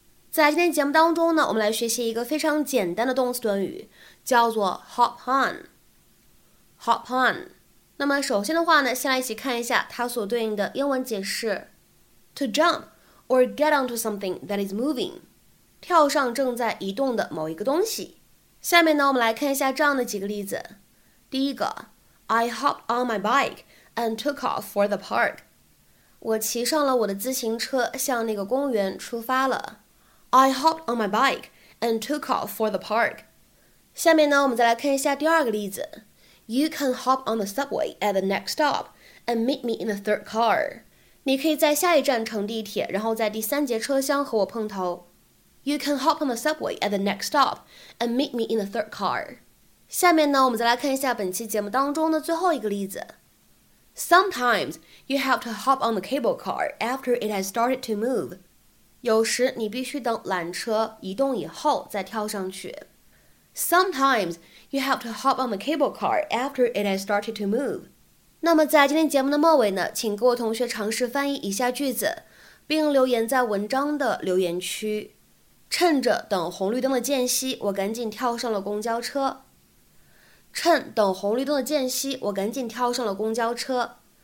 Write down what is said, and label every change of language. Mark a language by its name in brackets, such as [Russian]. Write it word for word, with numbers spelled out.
[Chinese] 在今天节目当中呢，我们来学习一个非常简单的动词短语，叫做 [English] hop on. Hop on. [Chinese] 那么首先的话呢，先来一起看一下它所对应的英文解释 [English] To jump or get onto something that is moving [Chinese] 跳上正在移动的某一个东西。下面呢，我们来看一下这样的几个例子。第一个 [English] I hopped on my bike and took off for the park [Chinese] 我骑上了我的自行车，向那个公园出发了。 [English] I hopped on my bike and took off for the park [Chinese] 下面呢，我们再来看一下第二个例子 [English] You can hop on the subway at the next stop and meet me in the third car. [Chinese] 你可以在下一站乘地铁，然后在第三节车厢和我碰头。 [English] You can hop on the subway at the next stop and meet me in the third car. [Chinese] 下面呢，我们再来看一下本期节目当中的最后一个例子。 [English] Sometimes you have to hop on the cable car after it has started to move. [Chinese] 有时你必须等缆车移动以后再跳上去。 [English] Sometimes you have to hop on the cable car after it has started to move. [Chinese] 那么在今天节目的末尾呢，请各位同学尝试翻译以下句子，并留言在文章的留言区。趁着等红绿灯的间隙，我赶紧跳上了公交车。趁等红绿灯的间隙，我赶紧跳上了公交车。